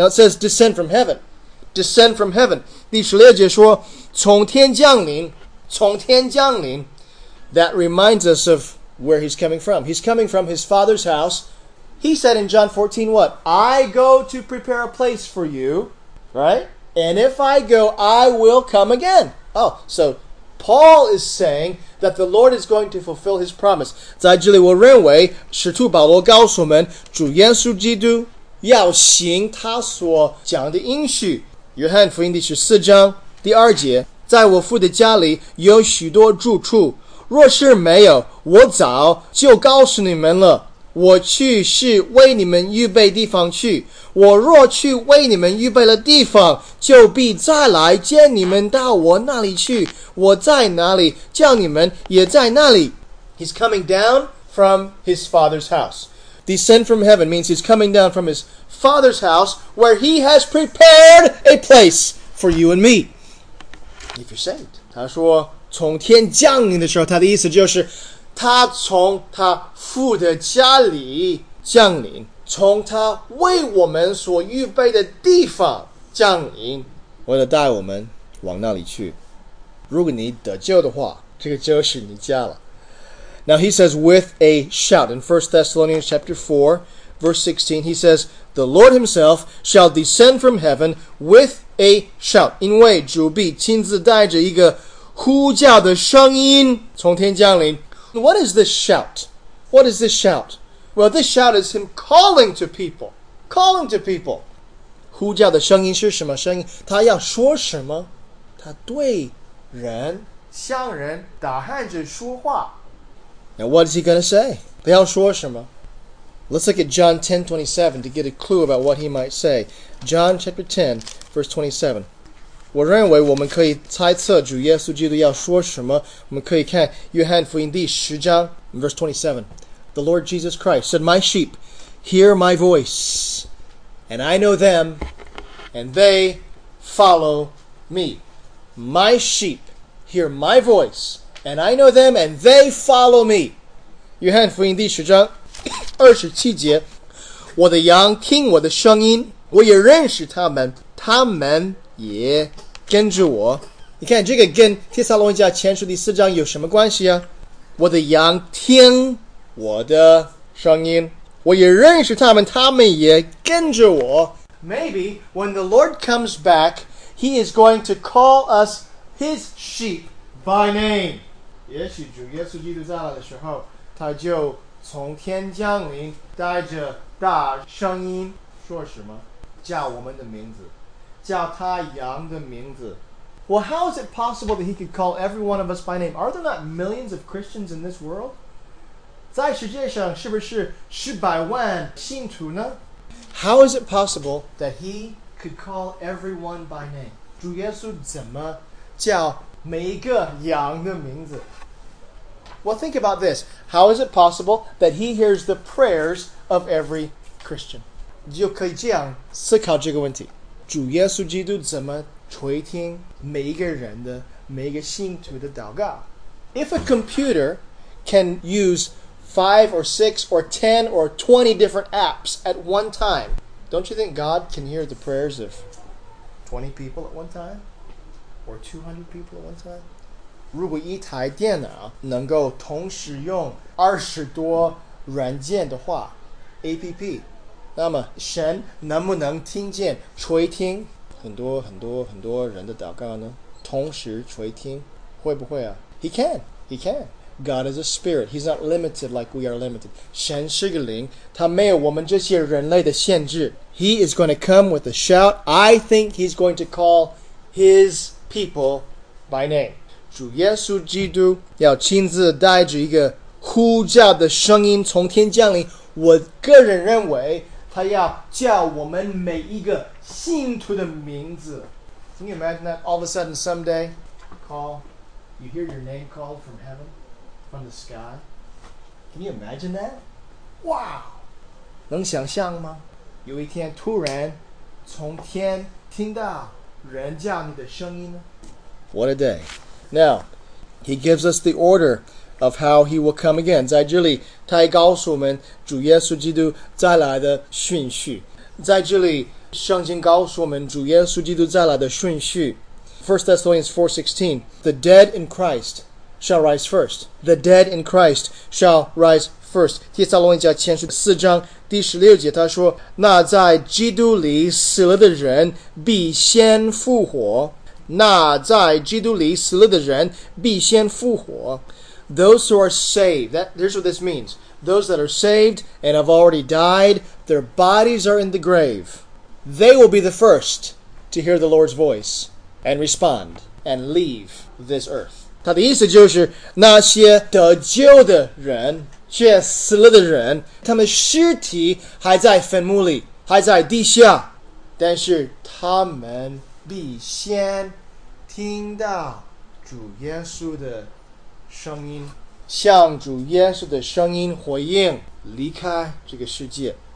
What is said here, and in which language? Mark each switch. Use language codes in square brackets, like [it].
[en] Now it says descend from heaven. Descend from heaven. [zh] 第十六节说从天降临从天降临 [en] That reminds us of where he's coming from. He's coming from his father's house. He said in John 14 what? I go to prepare a place for you. Right? And if I go, I will come again. Oh, so Paul is saying... that the Lord is going to fulfill his promise. [zh] 在这里我认为使徒保罗告诉我们主耶稣基督要行他所讲的应许。约翰福音第十四章第二节在我父的家里有许多住处若是没有我早就告诉你们了我去是为你们预备地方去我若去为你们预备了地方就必再来接你们到我那里去我在哪里叫你们也在那里 [en] He's coming down from his father's house. Descend from heaven means he's coming down from his father's house where he has prepared a place for you and me. If you're saved. [zh] 他说从天降临的时候他的意思就是他从他父的家里降临从他为我们所预备的地方降临为了带我们往那里去。如果你得救的话这个就是你家了。 [en] Now he says, with a shout. In 1 Thessalonians chapter 4, verse 16, he says, the Lord himself shall descend from heaven with a shout. [zh] 因为主必亲自带着一个呼叫的声音从天降临。 [en] What is this shout? What is this shout? Well, this shout is him calling to people. Calling to people. [zh] 呼叫的声音是什么声音？他要说什么？他对人向人打喊着说话。 [en] Now what is he going to say? [zh] 他要说什么？ [en] Let's look at John 10:27 to get a clue about what he might say. John chapter 10, verse 27. [zh] 我认为我们可以猜测主耶稣基督要说什么。我们可以看约翰福音第十章 verse 27. [en] The Lord Jesus Christ said, My sheep, hear my voice, and I know them, and they follow me. My sheep, hear my voice. And I know them, and they follow me. [zh] 约翰福音第十章二十七节，我的羊听我的声音，我也认识他们，他们也跟着我。你看这个跟帖撒罗尼迦前书第四章有什么关系啊？我的羊听我的声音，我也认识他们，他们也跟着我。 [en] Maybe when the Lord comes back, He is going to call us His sheep. By name. [zh] 也许主耶稣基督再来的时候，他就从天降临，带着大声音说什么？叫我们的名字，叫他羊的名字。 [en] Well, how is it possible that he could call every one of us by name? Are there not millions of Christians in this world? [zh] 在世界上是不是十百万信徒呢？ [en] How is it possible that he could call everyone by name? [zh] 主耶稣怎么叫每一个羊的名字。 [en] Well, think about this. How is it possible that he hears the prayers of every Christian? [zh] 就可以这样思考这个问题。主耶稣基督怎么垂听每一个人的、每一个信徒的祷告？ [en] If a computer can use 5 or 6 or 10 or 20 different apps at one time, don't you think God can hear the prayers of 20 people at one time? Or 200 people at one time? [zh] 如果一台电脑能够同时用二十多软件的话 APP, 那么神能不能听见垂听很多很多很多人的祷告呢？同时垂听会不会啊？ [en] He can, he can. God is a spirit. He's not limited like we are limited. [zh] 神是个灵，他没有我们这些人类的限制。 [en] He is going to come with a shout. I think he's going to call his... People by name. [zh] 主耶稣基督要亲自带着一个呼叫的声音从天降临。我个人认为他要叫我们每一个信徒的名字。 [en] Can you imagine that all of a sudden someday you hear your name called from heaven, from the sky? Can you imagine that? Wow! [zh] 能想象吗？有一天突然从天听到人叫你的声音呢？ [en] What a day. Now, he gives us the order of how he will come again. [zh] 在这里他也告诉我们主耶稣基督再来的顺序。在这里圣经告诉我们主耶稣基督再来的顺序。 [en] 1 Thessalonians 4:16, The dead in Christ shall rise first. The dead in Christ shall rise first. [zh] 帖撒罗尼迦前书四章第十六节他说那在基督里死了的人必先复活。那在基督里死了的人必先复活。 [en] Those who are saved, here's what this means. Those that are saved and have already died, their bodies are in the grave. They will be the first to hear the Lord's voice and respond and leave this earth. [zh] 他的意思就是那些得救的人却死了的人他们尸体还在坟墓里还在地下但是他们必先听到主耶稣的声音，向主耶稣的声音回应，离开这个世界。